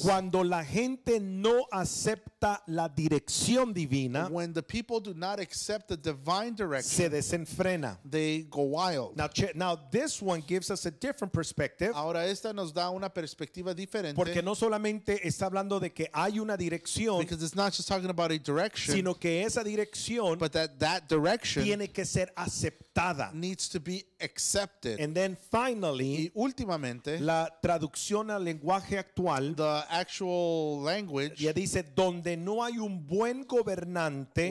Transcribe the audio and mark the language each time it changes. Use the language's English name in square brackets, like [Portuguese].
[Spanish] cuando la gente no acepta la dirección divina, [English] when the people do not accept the divine direction, [Spanish] se desenfrena. [English] They go wild. Now this one gives us a different perspective. [Spanish] Ahora esta nos da una perspectiva diferente. Porque no solamente está hablando de que hay una dirección, [English] because it's not just talking about a direction, [Spanish] sino que esa dirección, [English] but that direction, [Spanish] tiene que ser aceptada. [English] Needs to be accepted. And then finally, [Spanish] y últimamente, la traducción al lenguaje actual, [English] the actual language, [Spanish] ya dice donde donde no hay un buen gobernante,